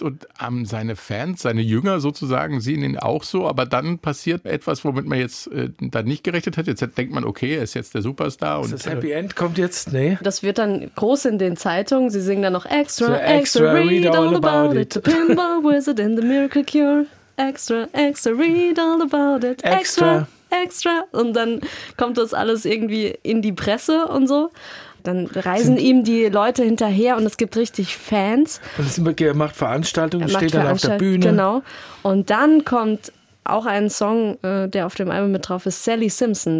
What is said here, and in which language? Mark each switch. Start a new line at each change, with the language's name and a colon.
German: Und seine Fans, seine Jünger sozusagen, sehen ihn auch so. Aber dann passiert etwas, womit man jetzt dann nicht gerechnet hat. Jetzt denkt man, okay, er ist jetzt der Superstar. Und das Happy End kommt jetzt? Nee. Das wird dann groß in den Zeitungen. Sie singen dann noch extra,
English: read all about it. Pinball Wizard and the Miracle Cure. Extra, extra, read all about it. Extra, extra.
German: Und dann kommt das alles irgendwie in die Presse und so. Dann reisen ihm die Leute hinterher und es gibt richtig Fans. Und er macht Veranstaltungen, steht dann auf der Bühne. Genau. Und dann kommt auch ein Song, der auf dem Album mit drauf ist, Sally Simpson.